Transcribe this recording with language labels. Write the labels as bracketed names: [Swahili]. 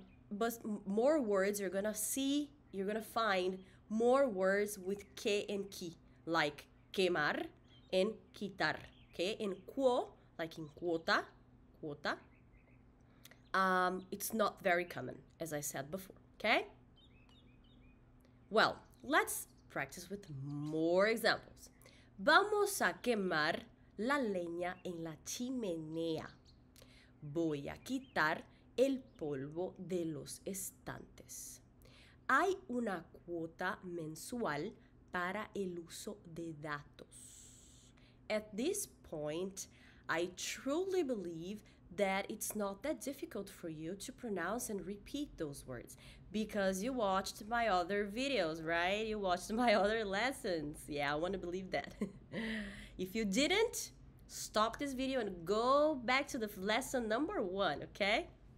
[English] But more words you're going to see, you're going to find more words with que and ki, like quemar and quitar. Okay, in quo, like in quota, quota, it's not very common, as I said before, okay? Well, let's practice with more examples. [Spanish] Vamos a quemar la leña en la chimenea. Voy a quitar el polvo de los estantes. Hay una cuota mensual para el uso de datos. [English] At this point, I truly believe that it's not that difficult for you to pronounce and repeat those words because you watched my other videos, right? You watched my other lessons. Yeah, I want to believe that. If you didn't, stop this video and go back to the lesson number one, okay?